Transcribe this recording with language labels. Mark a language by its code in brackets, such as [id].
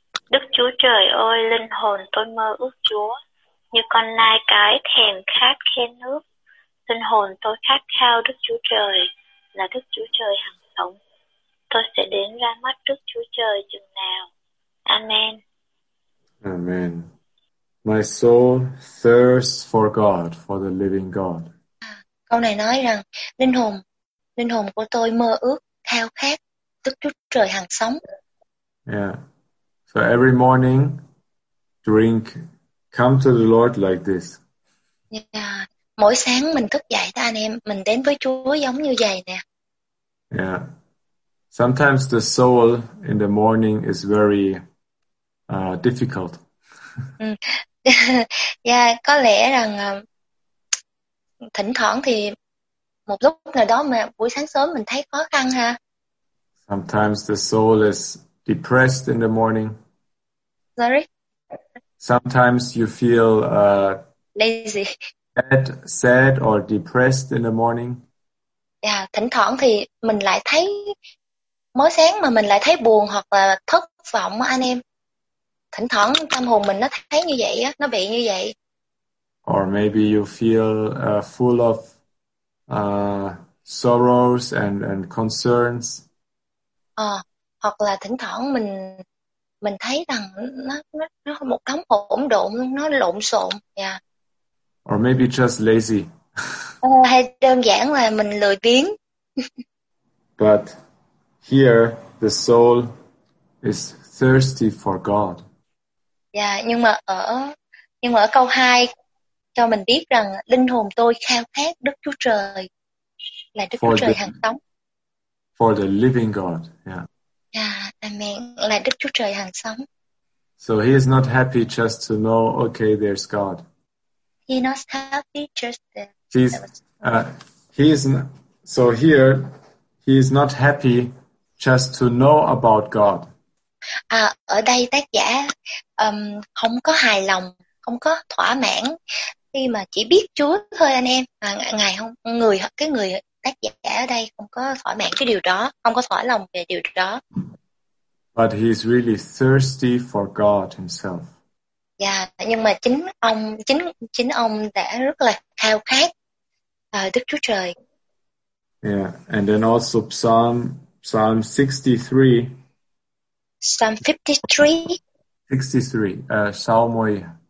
[vi] Đức Chúa Trời ơi, linh hồn tôi mơ ước Chúa, như con nai cái thèm khát khe nước. Linh hồn tôi khát khao Đức Chúa Trời, là Đức Chúa Trời hằng sống. Tôi sẽ đến ra mắt Đức Chúa Trời chừng nào. Amen. Amen. [en] My soul thirsts for God, for the living God. [vi] Câu này nói rằng linh hồn của tôi mơ ước khao khát Đức Chúa Trời hằng sống. Yeah. [en] So every morning, come to the Lord like this. Yeah. [vi] Mỗi sáng mình thức dậy ta anh em, mình đến với Chúa giống như vậy nè. Yeah. [en] Sometimes the soul in the morning is very difficult. [vi] Yeah, có lẽ rằng thỉnh thoảng thì một lúc nào đó mà buổi sáng sớm mình thấy khó khăn ha. [en] Sometimes the soul is depressed in the morning. Sorry. Sometimes you feel lazy. Sad or depressed in the morning. [vi] Yeah, thỉnh thoảng thì mình lại thấy mỗi sáng mà mình lại thấy buồn hoặc là thất vọng anh em. Thỉnh thoảng tâm hồn mình nó thấy như vậy á, nó bị như vậy. [en] Or maybe you feel full of sorrows and concerns. [vi] Hoặc là thỉnh thoảng mình thấy rằng nó một đống hỗn độn luôn, nó lộn xộn. Yeah. [en] Or maybe just lazy. [vi] Hay đơn giản là mình lười biếng. [en] But here the soul is thirsty for God. [vi] Yeah, nhưng mà ở câu 2 cho mình biết rằng linh hồn tôi khao khát Đức Chúa Trời, là Đức Chúa Trời hằng sống. [en] For the living God, yeah. Yeah, amen. [vi] Là Đức Chúa Trời hằng sống. [en] So he is not happy just to know, okay, there's God. He is not happy just to know. He is not happy just to know about God. [vi] À, ở đây tác giả không có hài lòng, không có thỏa mãn khi mà chỉ biết Chúa thôi anh em. Ngài không, người tác giả ở đây không có thỏa mãn cái điều đó, không có thỏa lòng về điều đó. [en] But he is really thirsty for God himself. [vi] Yeah, nhưng mà chính ông đã rất là khao khát Đức Chúa Trời. [en] Yeah, and then also Psalm 63. Psalm 53.